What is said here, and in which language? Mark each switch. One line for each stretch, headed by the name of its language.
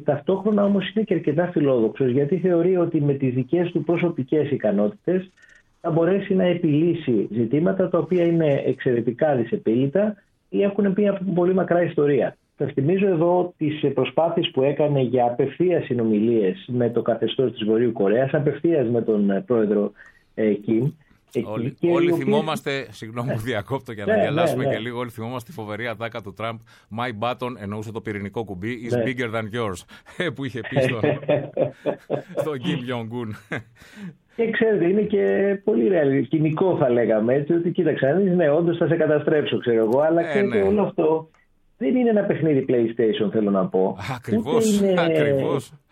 Greek: Ταυτόχρονα όμως είναι και αρκετά φιλόδοξος, γιατί θεωρεί ότι με τις δικές του προσωπικές ικανότητες θα μπορέσει να επιλύσει ζητήματα τα οποία είναι εξαιρετικά δυσεπίλητα ή έχουν μια πολύ μακρά ιστορία. Θα θυμίζω εδώ τις προσπάθειες που έκανε για απευθείας συνομιλίες με το καθεστώς της Βορείου Κορέας, απευθείας με τον πρόεδρο Κιμ. Όλοι θυμόμαστε, συγγνώμη που διακόπτω για να διαλάσουμε και λίγο, όλοι θυμόμαστε τη φοβερή ατάκα του Τραμπ.
English: My button,
Greek: εννοούσε το πυρηνικό κουμπί,
English: is bigger than yours.
Greek: Που είχε πει στον Kim Jong-un. Και ξέρετε, είναι και πολύ ρεαλιστικό, θα λέγαμε έτσι, ότι κοίταξε, αν είναι όντω θα σε καταστρέψω, ξέρω εγώ, αλλά ξέρετε, όλο αυτό δεν είναι ένα παιχνίδι PlayStation, θέλω να πω. Ακριβώς.